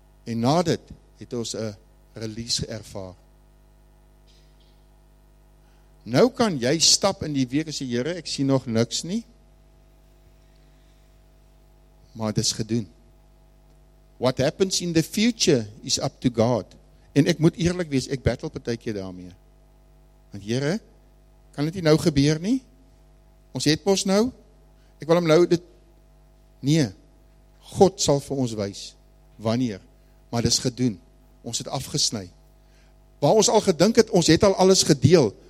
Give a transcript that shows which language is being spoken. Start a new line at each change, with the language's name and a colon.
Afrikaans: En na dit, het ons 'n release ervaar. Nou kan jy stap in die week en sê, Here, ek sien nog niks nie. Maar dit is gedoen.
English: What happens in the future is up to God.
Afrikaans: En ek moet eerlik wees, ek battle partykeer daarmee. Want Here, kan dit nie nou gebeur nie? Ons het mos nou. Ek wil hom nou dit... Nee, God sal vir ons wys. Wanneer? Maar dit is gedoen. Ons het afgesny. Waar ons al gedink het, ons het al alles gedeel.